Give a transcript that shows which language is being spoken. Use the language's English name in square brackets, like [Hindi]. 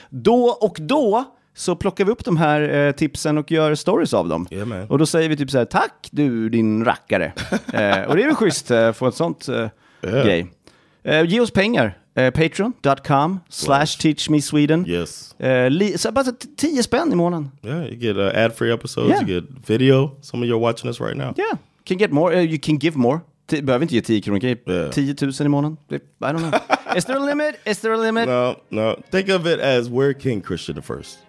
[Swedish] Då så plockar vi upp de här tipsen och gör stories av dem. [English] Yeah, man. [Swedish] Och då säger vi typ så här: tack du din rackare. Och det är väl schysst att få ett sånt grej. Ge oss pengar. [English] patreon.com/teachmesweden. Yes. So about 10 spänn i månaden. Yeah, you get ad-free episodes, yeah. You get video, some of you are watching us right now. Yeah, can get more, you can give more. [Swedish] Behöver inte ge 10 kronor, 10,000 i månaden. [English] I don't know. Is there a limit? Is there a limit? No, no. Think of it as we're King Christian the First.